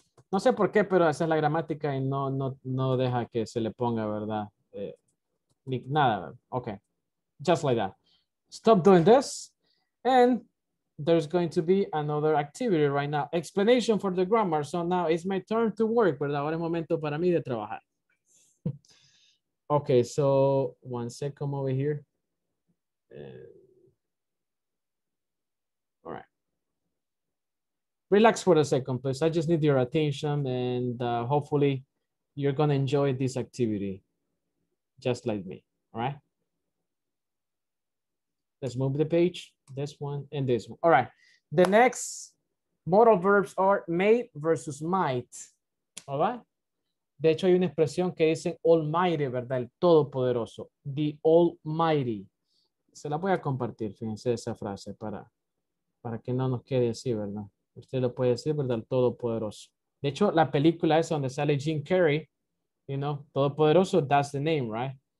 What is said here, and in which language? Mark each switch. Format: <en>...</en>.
<es>No sé por qué, pero esa es la gramática y no deja que se le ponga, ¿verdad? Ni nada.</es> <en>Okay. Just like that. Stop doing this. And there's going to be another activity right now. Explanation for the grammar. So now it's my turn to work, ¿verdad?</en> <es>Ahora es momento para mí de trabajar.</es> <en>Okay, so one sec, come over here. All right. Relax for a second, please. I just need your attention and hopefully you're going to enjoy this activity just like me. All right. Let's move the page. This one and this one. All right. The next modal verbs are may versus might. All right.</en> <es>De hecho, hay una expresión que dice almighty, ¿verdad? El todopoderoso.</es> <en>The almighty.</en> <es>Se la voy a compartir, fíjense esa frase para que no nos quede así, ¿verdad? Usted lo puede decir, ¿verdad? El todopoderoso. De hecho, la película esa donde sale Jim Carrey,</es> <en>you know,</en> <es>todopoderoso,</es> <en>that's the name, right?</en>